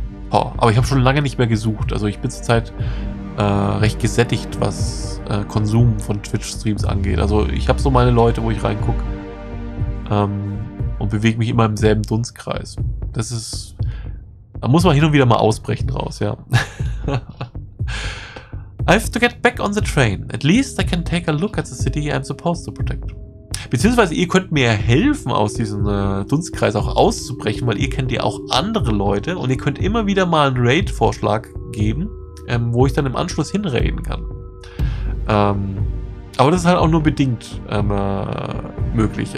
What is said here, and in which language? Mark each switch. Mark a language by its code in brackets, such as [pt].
[de] Boah, aber ich habe schon lange nicht mehr gesucht. Also ich bin zurzeit recht gesättigt, was Konsum von Twitch-Streams angeht. Also ich habe so meine Leute, wo ich reingucke. Und bewege mich immer im selben Dunstkreis. Das ist... Da muss man hin und wieder mal ausbrechen raus, ja. [en] I have to get back on the train. At least I can take a look at the city I'm supposed to protect. [de] Beziehungsweise ihr könnt mir helfen, aus diesem Dunstkreis auch auszubrechen, weil ihr kennt ja auch andere Leute und ihr könnt immer wieder mal einen Raid-Vorschlag geben, wo ich dann im Anschluss hinraiden kann. Aber das ist halt auch nur bedingt möglich.